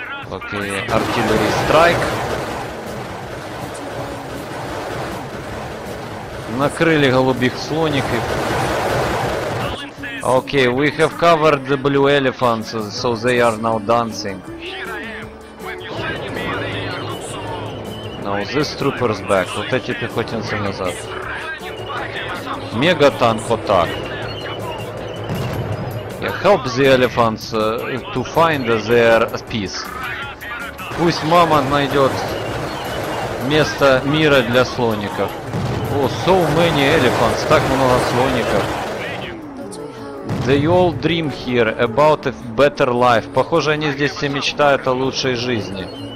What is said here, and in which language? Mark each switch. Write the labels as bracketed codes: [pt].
[ru] Окей, артиллерий страйк. Накрыли голубых слоников. [en] Окей, we have covered the blue elephants, so they are now dancing. Now this trooper's back. [ru] Вот эти пехотинцы назад. Мегатанк вот так. [en] Yeah, help the elephants to find their peace. [ru] Пусть мама найдет место мира для слоников. [en] О, oh, so many elephants, [ru] так много слоников. [en] They all dream here about a better life. [ru] Похоже, они здесь все мечтают о лучшей жизни.